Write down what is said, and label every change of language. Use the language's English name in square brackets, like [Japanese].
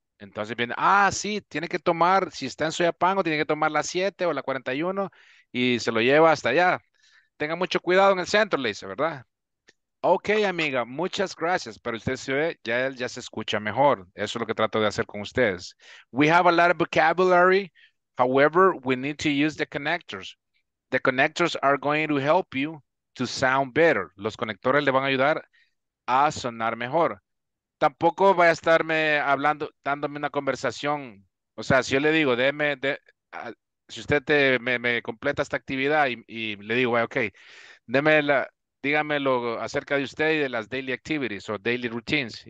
[Spanish] Entonces viene, sí, tiene que tomar, si está en Soyapango, tiene que tomar la 7 o la 41 y se lo lleva hasta allá. Tenga mucho cuidado en el centro, le dice, ¿verdad? Ok, amiga, muchas gracias. Pero usted se ve, ya él ya se escucha mejor. Eso es lo que trato de hacer con ustedes. [English] We have a lot of vocabulary. However, we need to use the connectors. The connectors are going to help you to sound better. [Spanish] Los conectores le van a ayudar a sonar mejor. Tampoco va a estarme hablando, dándome una conversación. O sea, si yo le digo, si usted me completa esta actividad y le digo, ok, dígamelo acerca de usted y de las daily activities o daily routines.